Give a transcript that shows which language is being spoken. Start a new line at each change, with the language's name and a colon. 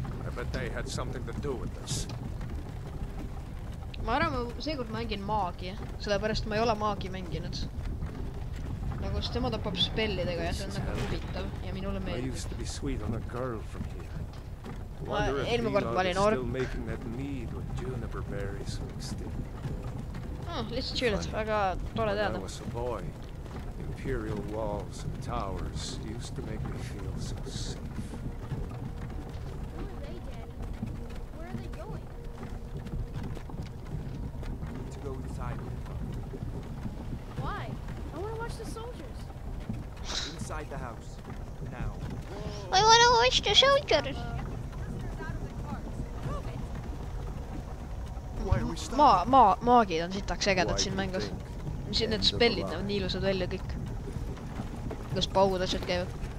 English: I bet they had something to do with this.
Estonian: Ma arvan, seekord mängin maagi. Sellepärast ma ei ole maagi mänginud. Nagu siis tema tapab spellidega ja see on nagu huvitav. Ja minule meeldib.
English: I used to be sweet on a girl from here.
Estonian: Ma eelmine kord ma olin ork.
English: Still making that mead with juniper berries so extinct.
Estonian: Lihtsalt chillid, väga tore teada.
English: I was a boy. Imperial walls and towers used to make me feel so safe. Who are they, Daddy? Where are they going? I need to go inside. Why? I want to watch the soldiers. Inside the house. Now. I want to watch the soldiers.
Estonian: Maagid on sitaks segedad siin mängus. Siin need spellid on nii ilusad välja kõik. Kus paugud asjad käivad.